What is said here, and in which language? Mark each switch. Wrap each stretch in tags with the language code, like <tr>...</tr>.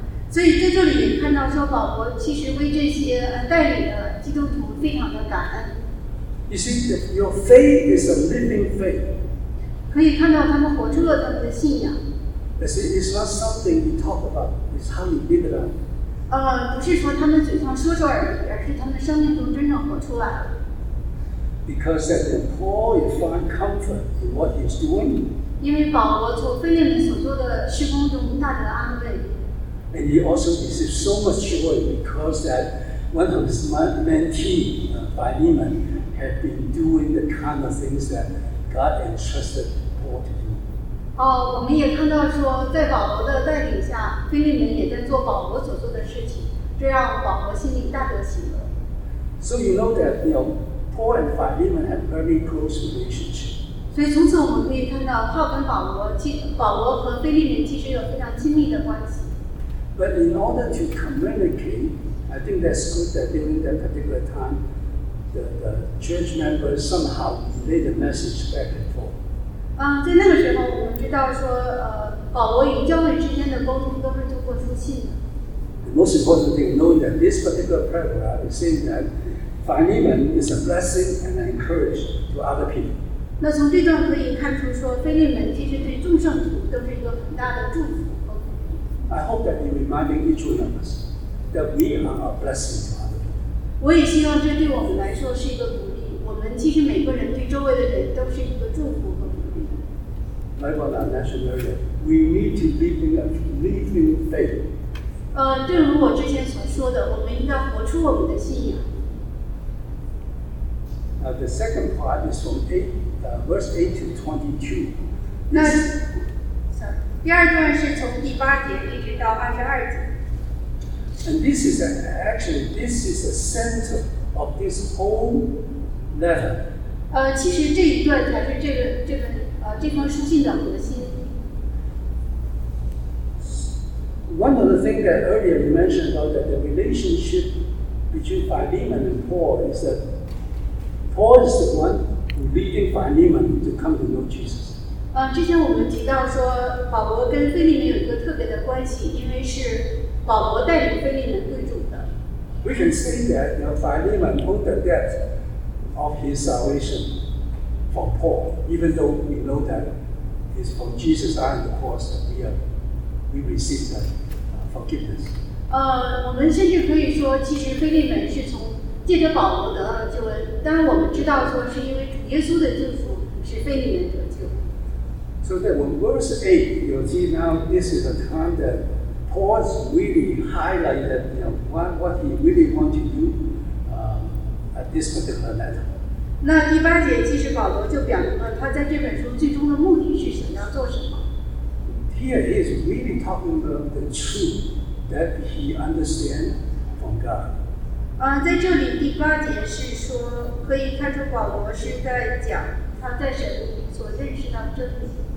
<zh>所以在这里看到说，保罗其实为这些带领的基督徒非常的感恩。</zh> <en>You see that your faith is a living faith.</en> <zh>可以看到他们活出了他们的信仰。</zh> <en>It's not something we talk about. It's how we live it out.</en> <zh>不是说他们嘴上说说而已，而是他们生命中真正活出来了。</zh> <en>Because that when Paul you find comfort in what he's doing.</en> <zh>因为保罗从腓立门所做的事工中大得安慰。</zh> <en>And he also received so much joy because that one of his mentee, Philemon, had been doing the kind of things that God entrusted Paul to do.</en> <zh>我们也看到说，在保罗的带领下，腓立门也在做保罗所做的事情，这让保罗心里大得喜乐。</zh> <en>So you know that, you know. Paul and Philemon have very close relationship.</en> <zh>所以从此我们可以看到，他跟保罗和腓立门其实有非常亲密的关系。</zh> <en>But in order to communicate, I think that's good that during that particular time, the church members somehow relay the message back and forth.</en> <zh>在那个时候，我们知道说，保罗与教会之间的沟通都是通过书信的。</zh> <en>The most important thing, knowing that this particular paragraph is saying that. Philemon is a blessing and an encouragement to other people.</en> <zh>那从这段可以看出说，腓立门其圣徒都是一个很大的祝福和鼓励。</zh> <en>I hope that you reminding each one of us that we are a blessing to others.</en> <zh>我也希望这对我们来说是一个鼓励。我们其实每个人对周围的人都是一个祝福和鼓励。</zh> <en>Like what I mentioned earlier, we need to live in faith.</en> <zh>正如我之前所说的，我们应该活出我们的信仰。</zh> <en>Now the second part is from verse 8 to 22.</en> <zh>那 第二段是从第八节一直到二十二节。</zh> <en>And this is the center of this whole letter.</en> <zh>其实这一段才是这封书信的核心。</zh> <en>One of the things that earlier you mentioned about that the relationship between Philemon and Paul is that. Paul is the one who leading Philemon to come to know Jesus.</en> <zh>之前我们提到说，保罗跟腓利门有一个特别的关系，因为是保罗带领腓利门归主的。</zh> <en>We can say that Philemon owed the debt of his salvation for Paul, even though we know that it's from Jesus on the cross that we receive that forgiveness.</en> <zh>我们甚至可以说，其实腓利门是从借着保罗得了救恩，但是我们知道说是因为耶稣的救赎使腓利门得救。</zh> <en>So that when verse 8, you see now this is a time that Paul really highlighted what he really wanted to do at this particular letter.</en> <zh>那第八节其实保罗就表明了他在这本书最终的目的是想要做什么。</zh> <en>Here he is really talking about the truth that he understands from God.</en> <zh>在这里第八节是说，可以看出保罗是在讲他在神所认识到真理。</zh>